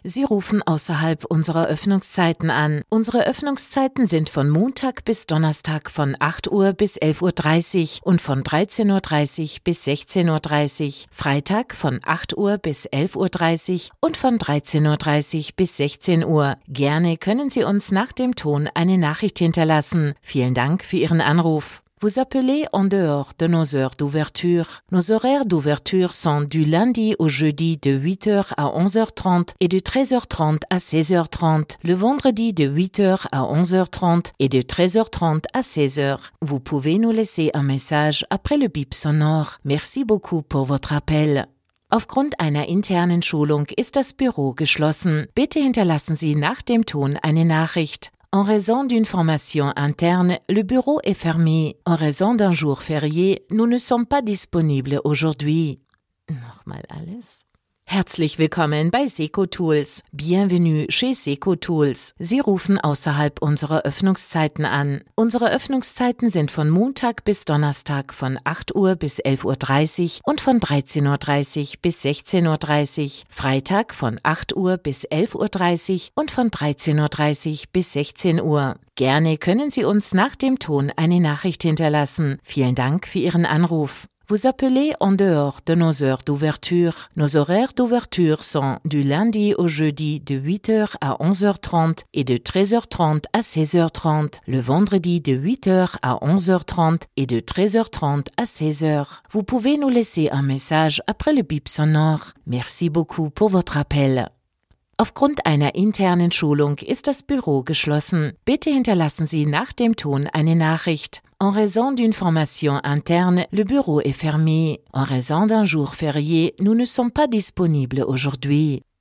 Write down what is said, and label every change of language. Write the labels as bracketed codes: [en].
[de] Sie rufen außerhalb unserer Öffnungszeiten an. Unsere Öffnungszeiten sind von Montag bis Donnerstag von 8 Uhr bis 11.30 Uhr und von 13.30 Uhr bis 16.30 Uhr. Freitag von 8 Uhr bis 11.30 Uhr und von 13.30 Uhr bis 16 Uhr. Gerne können Sie uns nach dem Ton eine Nachricht hinterlassen. Vielen Dank für Ihren Anruf. [fr] Vous appelez en dehors de nos heures d'ouverture. Nos horaires d'ouverture sont du lundi au jeudi de 8h à 11h30 et de 13h30 à 16h30. Le vendredi de 8h à 11h30 et de 13h30 à 16h. Vous pouvez nous laisser un message après le bip sonore. Merci beaucoup pour votre appel. [de] Aufgrund einer internen Schulung ist das Büro geschlossen. Bitte hinterlassen Sie nach dem Ton eine Nachricht. [fr] En raison d'une formation interne, le bureau est fermé. En raison d'un jour férié, nous ne sommes pas disponibles aujourd'hui. [de] Nochmal alles. Herzlich willkommen bei Seco Tools. [fr] Bienvenue chez Seco Tools. [de] Sie rufen außerhalb unserer Öffnungszeiten an. Unsere Öffnungszeiten sind von Montag bis Donnerstag von 8 Uhr bis 11.30 Uhr und von 13.30 Uhr bis 16.30 Uhr. Freitag von 8 Uhr bis 11.30 Uhr und von 13.30 Uhr bis 16 Uhr. Gerne können Sie uns nach dem Ton eine Nachricht hinterlassen. Vielen Dank für Ihren Anruf. [fr] Vous appelez en dehors de nos heures d'ouverture. Nos horaires d'ouverture sont du lundi au jeudi de 8h à 11h30 et de 13h30 à 16h30. Le vendredi de 8h à 11h30 et de 13h30 à 16h. Vous pouvez nous laisser un message après le bip sonore. Merci beaucoup pour votre appel. [de] Aufgrund einer internen Schulung ist das Büro geschlossen. Bitte hinterlassen Sie nach dem Ton eine Nachricht. [fr] En raison d'une formation interne, le bureau est fermé. En raison d'un jour férié, nous ne sommes pas disponibles aujourd'hui.